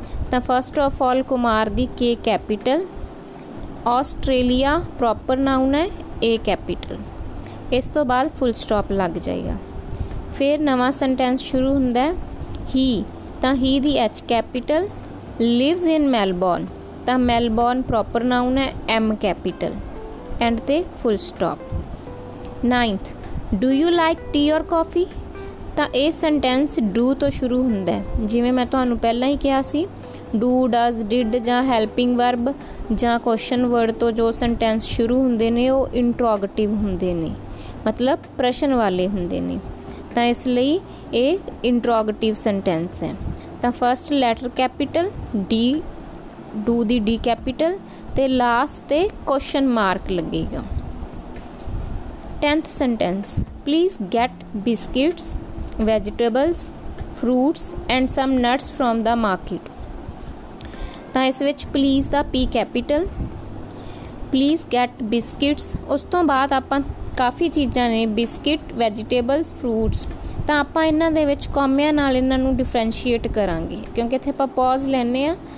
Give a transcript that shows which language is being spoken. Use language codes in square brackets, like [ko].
[pa] ਤਾਂ [en] first of all [pa] Kumar ਦੀ K capital, Australia proper known ਹੈ ਏ capital, ਇਸ ਤੋਂ ਬਾਅਦ ਫੁੱਲ ਸਟੋਪ ਲੱਗ ਜਾਏਗਾ. ਫਿਰ ਨਵਾਂ ਸੈਂਟੈਂਸ ਸ਼ੁਰੂ ਹੁੰਦਾ ਹੀ, ਤਾਂ ਹੀ ਦੀ ਐਚ ਕੈਪੀਟਲ. [en] lives in Melbourne, [pa] ਤਾਂ ਮੈਲਬੋਰਨ ਪ੍ਰੋਪਰ ਨਾਊਨ ਹੈ ਐਮ ਕੈਪੀਟਲ. ਐਂਡ 'ਤੇ ਫੁੱਲ stop. [en] 9th, do you like tea or coffee? [pa] ਤਾਂ ਇਹ ਸੈਂਟੈਂਸ ਡੂ ਤੋਂ ਸ਼ੁਰੂ ਹੁੰਦਾ, ਜਿਵੇਂ ਮੈਂ ਤੁਹਾਨੂੰ ਪਹਿਲਾਂ ਹੀ ਕਿਹਾ ਸੀ. ਡੂ, ਡਜ਼, ਡਿਡ ਜਾਂ ਹੈਲਪਿੰਗ ਵਰਬ ਜਾਂ ਕੁਸ਼ਚਨ ਵਰਡ ਤੋਂ ਜੋ ਸੈਂਟੈਂਸ ਸ਼ੁਰੂ ਹੁੰਦੇ ਨੇ ਉਹ ਇੰਟਰੋਗੇਟਿਵ ਹੁੰਦੇ ਨੇ, ਮਤਲਬ ਪ੍ਰਸ਼ਨ ਵਾਲੇ ਹੁੰਦੇ ਨੇ. ਤਾਂ ਇਸ ਲਈ ਇਹ ਇੰਟਰੋਗੇਟਿਵ ਸੈਂਟੈਂਸ ਹੈ. ਤਾਂ first letter capital D, do ਦੀ D capital, ਅਤੇ ਲਾਸਟ 'ਤੇ ਕੁਸ਼ਚਨ ਮਾਰਕ ਲੱਗੇਗਾ. [en] 10th sentence, please get biscuits, vegetables, fruits and some nuts from the market. [pa] ਤਾਂ ਇਸ ਵਿੱਚ please ਦਾ P capital, [en] Please get biscuits. [pa] ਉਸ ਤੋਂ ਬਾਅਦ ਆਪਾਂ ਕਾਫੀ ਚੀਜ਼ਾਂ ਨੇ, ਬਿਸਕਿਟ, ਵੈਜੀਟੇਬਲਸ, ਫਰੂਟਸ. ਤਾਂ ਆਪਾਂ ਇਹਨਾਂ ਦੇ ਵਿੱਚ ਕੌਮਿਆਂ ਨਾਲ ਇਹਨਾਂ ਨੂੰ ਡਿਫਰੈਂਸ਼ੀਏਟ ਕਰਾਂਗੇ, ਕਿਉਂਕਿ ਇੱਥੇ ਆਪਾਂ ਪੌਜ਼ ਲੈਂਦੇ ਹਾਂ.